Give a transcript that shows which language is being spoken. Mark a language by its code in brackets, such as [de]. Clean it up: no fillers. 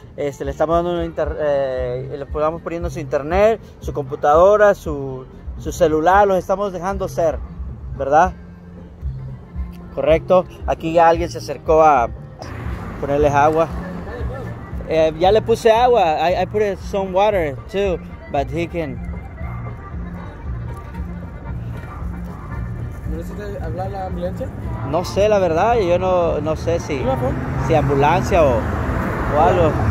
[es] Le estamos dando le estamos poniendo su internet, su computadora, su celular, los estamos dejando ser, ¿verdad? Correcto. Aquí ya alguien se acercó a ponerles agua. Ya le puse agua. [en] I put some water too, but he can. [es] ¿Necesita hablar la ambulancia? No sé, la verdad, yo no sé si ambulancia o algo.